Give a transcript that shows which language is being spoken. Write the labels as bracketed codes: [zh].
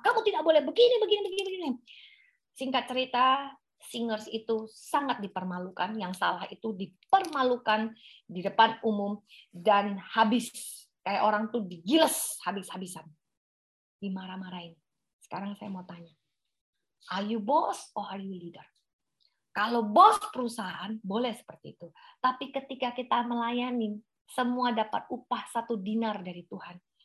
[id] Kamu tidak boleh begini, begini, begini, begini. Singkat cerita, singers itu sangat dipermalukan. Yang salah itu dipermalukan di depan umum. Dan habis. Kayak orang tuh digiles habis-habisan. Dimarah-marahin. Sekarang saya mau tanya. [en] Are you boss or are you leader? [id] Kalau bos perusahaan, boleh seperti itu. Tapi ketika kita melayani, semua dapat upah satu dinar dari Tuhan.